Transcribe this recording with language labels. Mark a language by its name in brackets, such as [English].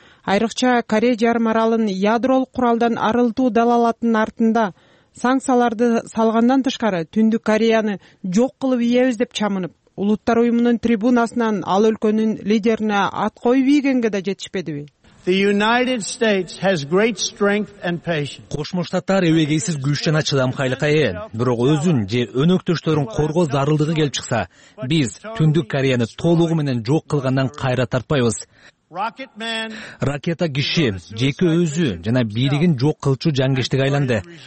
[Kyrgyz] Айрыкча Корея жарым аралын ядролук куралдан арылтуу далалатынын артында санкцияларды салгандан тышкары Түндүк Кореяны жок кылып ийебиз деп чамынып, Улуттар уюмунун трибунасынан ал өлкөнүн лидерине ат коюп ийгенге да жетишпедиби? [English] The United States has great strength and patience. [Kyrgyz] Кошмо Штаттар эбегейсиз күч жана чыдамкайлыкка ээ, бирок өзүн же өнөктөштөрүн коргоо зарылдыгы келип чыкса, биз Түндүк Кореяны толугу менен жок кылгандан кайра тартпайбыз. Ракета киши жеке өзү жана бийлигин жок кылчу жангечтик айланды.